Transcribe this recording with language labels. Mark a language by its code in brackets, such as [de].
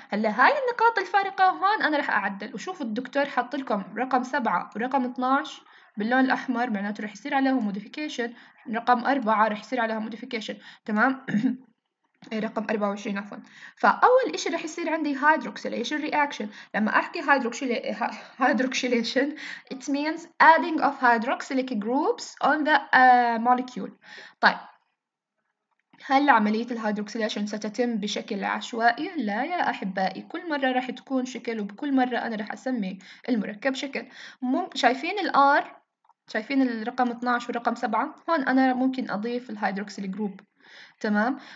[ar] هلا هاي النقاط الفارقه هون انا رح اعدل. وشوفوا الدكتور حط لكم رقم 7 ورقم 12 باللون الاحمر، معناته رح يصير عليهم موديفيكيشن. رقم 4 رح يصير عليها موديفيكيشن، تمام. رقم 24 عفوا. فاول اشي رح يصير عندي هيدروكسيليشن رياكشن. لما احكي [en] Hydroxylation it means adding of hydroxylic groups on the molecule. [ar] طيب هل عملية الهيدروكسيليشن ستتم بشكل عشوائي؟ لا يا احبائي، كل مرة رح تكون شكل، وبكل مرة انا رح اسمي المركب شكل. شايفين الار؟ شايفين الرقم 12 ورقم 7؟ هون انا ممكن اضيف الهيدروكسيل جروب، تمام.